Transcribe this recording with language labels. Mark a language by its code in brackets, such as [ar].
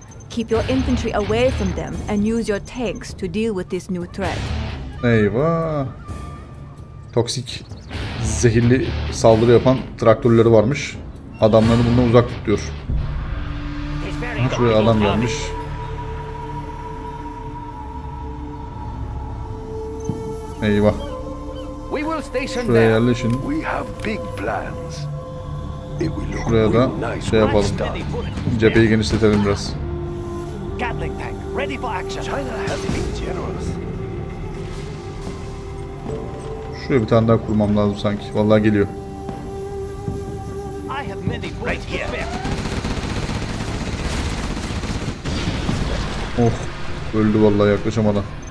[en] Keep your infantry away from them and use your tanks to deal with this new threat. [tr] Eyvah. Toksik, zehirli saldırı yapan traktörleri varmış. Adamlarını bundan uzak tut diyor. Şuraya alan gelmiş. Eyvah. [en] We will station [tr] there. Şuraya yerleşin. [en] We have big plans. It will look really nice. [tr] Şey yapalım. Cepheyi genişletelim biraz. [en] Gatling tank ready for action. China has been generous. [tr] Şuraya bir tane daha kurmam lazım sanki. Vallahi geliyor. [en] I have many right here. [tr] Oh, öldü vallahi, yaklaşamadan.